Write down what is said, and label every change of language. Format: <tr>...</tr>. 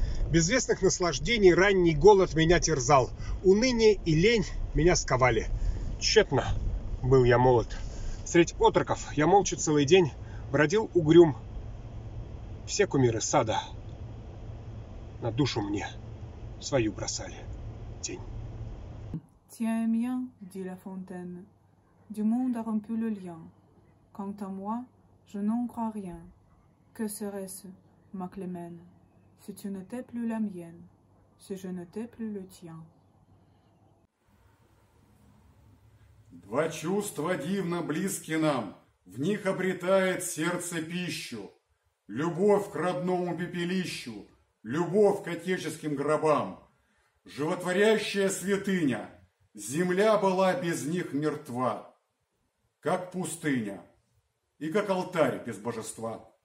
<ru>Безвестных наслаждений ранний голод меня терзал. Уныние и лень меня сковали. Тщетно был я молод. Средь отроков я молча целый день бродил угрюм. Все кумиры сада на душу мне свою бросали тень.</ru> <fr>Tiens, mien, dit la fontaine, du monde a rompu le lien. Quant à moi, je n'en crois rien. Que serait-ce, ma Clémène, si tu n'étais plus la mienne, si je n'étais plus le tien?</fr> <ru>Два чувства дивно близки нам, в них обретает сердце пищу. Любовь к родному пепелищу, любовь к отеческим гробам. Животворящая святыня, земля была без них мертва, как пустыня и как алтарь без божества.</ru>